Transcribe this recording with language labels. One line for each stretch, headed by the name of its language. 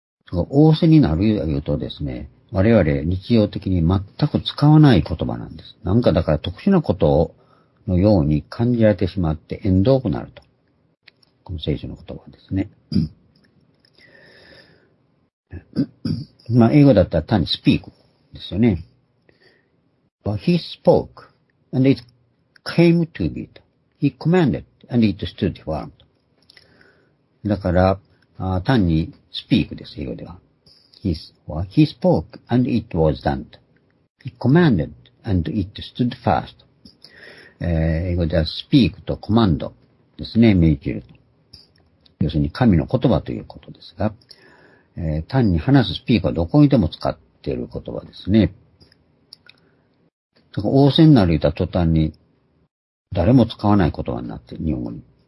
Japanese: 仰せになるというとですね、我々日常的に全く使わない言葉なんです。なんかだから特殊なことをのように感じられてしまって縁遠くなると。この聖書の言葉ですね。まあ、英語だったら単に speak ですよね。
English: But he spoke, and it came to be. He commanded, and it stood firm.
Japanese: だから、単に speak です、英語では。
English: He spoke, and it was done. He commanded, and it stood fast.
Japanese: 英語では speak と command ですね、命じると。要するに神の言葉ということですが、単に話す speak はどこにでも使っている言葉ですね。仰せになる言った途端に、誰も使わない言葉になって、日本語に。